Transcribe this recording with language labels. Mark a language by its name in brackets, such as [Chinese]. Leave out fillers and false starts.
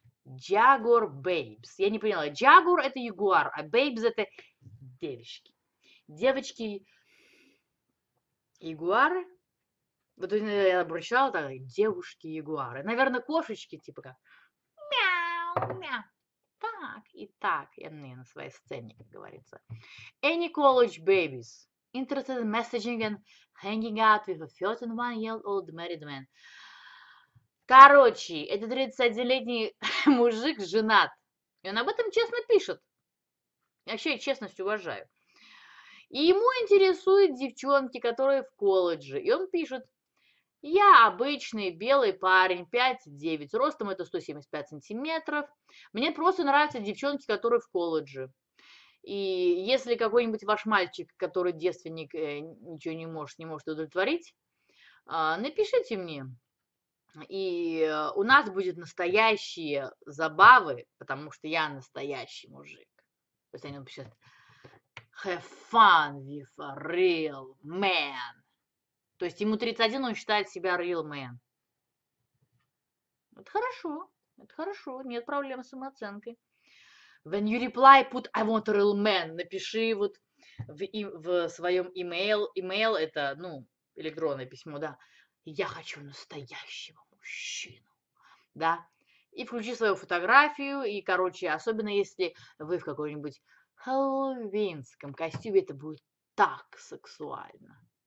[Russian] Jaguar Babes. Я не поняла. Jaguar это ягуар, а Babes это девочки. Девочки. Ягуары. Вот я обращала так, девушки-ягуары. Наверное, кошечки, типа как. Так, и так, я не на своей сцене, как говорится. [English] Any college babies interested in messaging and hanging out with a 31-year-old married man. [Russian] Короче, это 31-летний мужик женат. И он об этом честно пишет. Я вообще честность уважаю. И ему интересуют девчонки, которые в колледже. И он пишет. Я обычный белый парень, 5-9, ростом это 175 сантиметров. Мне просто нравятся девчонки, которые в колледже. И если какой-нибудь ваш мальчик, который девственник, ничего не может удовлетворить, напишите мне. И у нас будет настоящие забавы, потому что я настоящий мужик. То есть они напишут [English] «Have fun with a real man». [Russian] То есть ему 31, он считает себя [English] real man. [Russian] Это хорошо, нет проблем с самооценкой. [English] When you reply, put I want a real man. [Russian] Напиши вот в своем email. Email это, ну, электронное письмо, да. Я хочу настоящего мужчину. Да. И включи свою фотографию. И, короче, особенно если вы в каком-нибудь хэллоуинском костюме, это будет так сексуально.